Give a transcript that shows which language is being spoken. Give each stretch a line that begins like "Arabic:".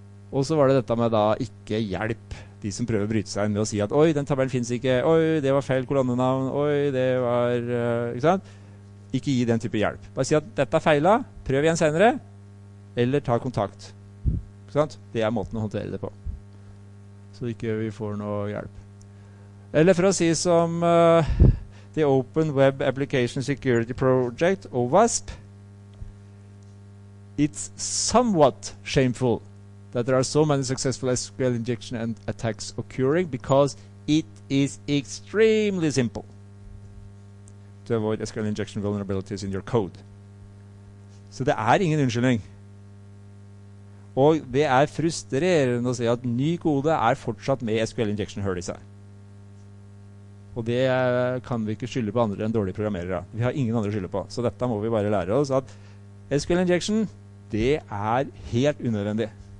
Norwegian: Og så var det dette med da ikke hjelp de som prøver å bryte seg inn med å si at oi, den tabellen finnes ikke, oi, det var feil kolonnenavn, oi, det var ikke sant, ikke gi den type hjelp, bare si at dette er feilet, prøv igjen senere eller ta kontakt. Sånn? Det er måten å håndtere det på. Så ikke vi får noe hjelp. Eller for å si som
English: The Open Web Application Security Project, OWASP, it's somewhat shameful that there are so many successful SQL injection and attacks occurring because it is extremely simple to avoid SQL injection vulnerabilities in your code.
Norwegian: Så det er ingen unnskyldning. Og det er frustrerende å si at ny kode er fortsatt med SQL injection hull i seg. Og det kan vi ikke skylde på andre enn dårlige programmerere. Vi har ingen andre skylde på. Så dette må vi bare lære oss at SQL injection, det er helt unødvendig.